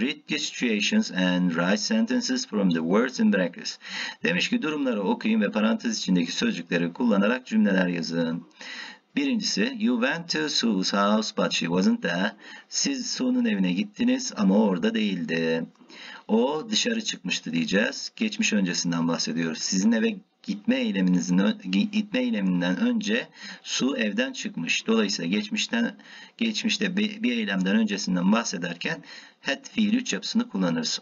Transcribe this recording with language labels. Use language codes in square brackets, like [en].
[en] Read the situations and write sentences from the words in brackets. [tr] Demiş ki durumları okuyun ve parantez içindeki sözcükleri kullanarak cümleler yazın. Birincisi, [en] you went to Sue's house but she wasn't there. [tr] Siz Sue'nun evine gittiniz ama o orada değildi. O dışarı çıkmıştı diyeceğiz. Geçmiş öncesinden bahsediyoruz. Sizin eve gitme eyleminden önce su evden çıkmış. Dolayısıyla geçmişte bir eylemden öncesinden bahsederken had fiil üç yapısını kullanırız.